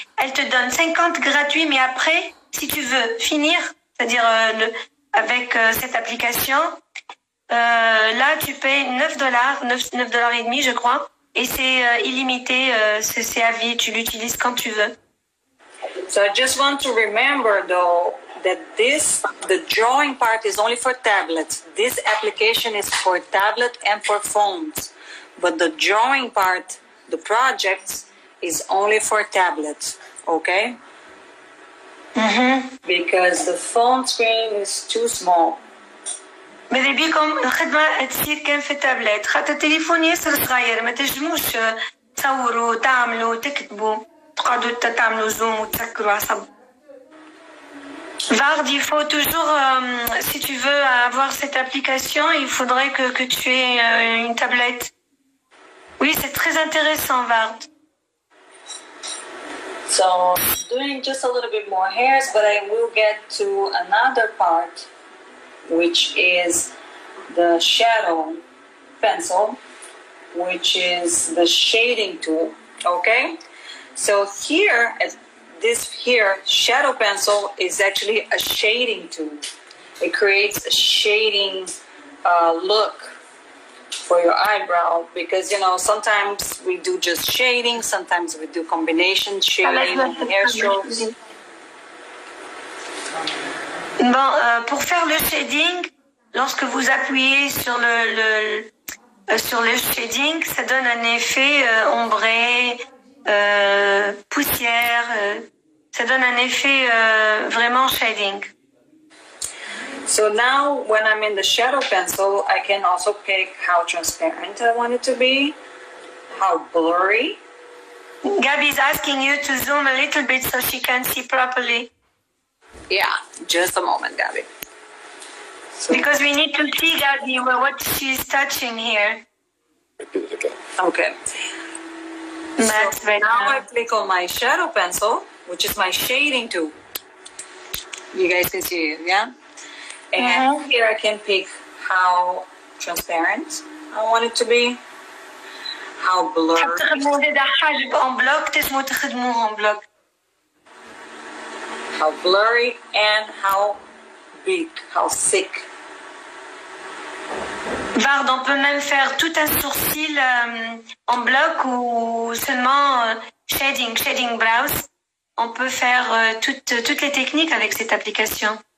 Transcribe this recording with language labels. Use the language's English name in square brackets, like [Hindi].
[French] Elle te donne 50 gratuits, mais après, si tu veux finir, c'est-à-dire avec cette application, là, tu payes $9, $9.50, je crois, et c'est illimité, c'est à vie, tu l'utilises quand tu veux. [English] So I just want to remember, though, that the drawing part is only for tablets. This application is for tablet and for phones. But the drawing part, the projects, is only for tablets, okay? Mm-hmm. Because the phone screen is too small. [French] Mais depuis quand est-ce qu'elle fait tablette? Quand tu téléphones, c'est petit, mais tu ne peux pas faire, tu écris, tu peux faire zoom ou tu peux faire WhatsApp. Vard, il faut toujours, si tu veux avoir cette application, il faudrait que tu aies une tablette. Oui, c'est très intéressant, Vard. [English] So, doing just a little bit more hairs, but I will get to another part, which is the shadow pencil, which is the shading tool. Okay? So here, this here, shadow pencil is actually a shading tool. It creates a shading look for your eyebrow, because, you know, sometimes we do just shading, sometimes we do combination shading and hair strokes. [French] Bon, pour faire le shading, lorsque vous appuyez sur le shading, ça donne un effet ombré, poussière, ça donne un effet vraiment shading. [English] So now, when I'm in the shadow pencil, I can also pick how transparent I want it to be, how blurry. Gabby's asking you to zoom a little bit so she can see properly. Yeah, just a moment, Gabby. So, because we need to see, Gabby, what she's touching here. Okay. That's so right now I click on my shadow pencil, which is my shading tool. You guys can see it, yeah? And here I can pick how transparent I want it to be, how blurry, how blurry, and how big, how thick. [French] Vard, on peut même faire tout un sourcil en bloc ou seulement shading brows. On peut faire toutes les techniques avec cette application.